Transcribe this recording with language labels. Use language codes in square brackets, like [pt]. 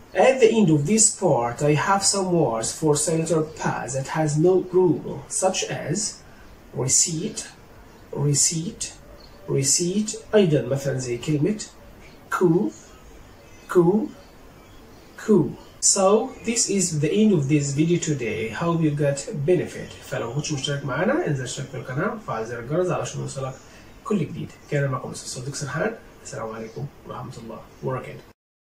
[en] At the end of this part, I have some words for cylinder P that has no rule, such as receipt, receipt, receipt. [ar] أيضا مثلا زي كلمة coup, coup, coup. [en] So this is the end of this video today. Hope you got benefit. [ar] فلو كنت مشترك معنا انزل اشترك في القناة وفعل زر الجرس علشان يوصلك كل جديد. كان معكم مستر صدق سرحان. السلام عليكم ورحمة الله وبركاته.